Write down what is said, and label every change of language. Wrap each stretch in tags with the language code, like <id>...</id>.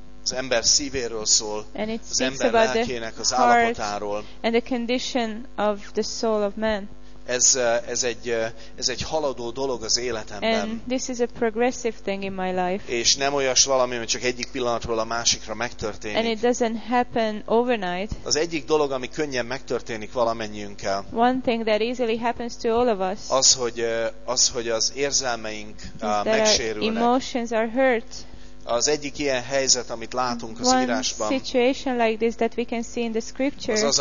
<hu>az ember szívéről szól, az ember lelkének az állapotáról.</hu> <en>And the condition of the soul of man.</en> <hu>Ez egy haladó dolog az életemben.</hu> <en>And this is a progressive thing in my life.</en> <hu>És nem olyas valami, hogy csak egyik pillanatról a másikra megtörténik.</hu> <en>And it doesn't happen overnight.</en> <hu>Az egyik dolog, ami könnyen megtörténik valamennyiünkkel.</hu> <en>One thing that easily happens to all of us.</en> <hu>Az, hogy az érzelmeink megsérülnek.</hu> <en>Emotions are hurt.</en> <hu>Az egyik ilyen helyzet, amit látunk az</hu> <en>One</en> <hu>írásban.</hu> <en>One situation like this that we can see in the scripture.</en>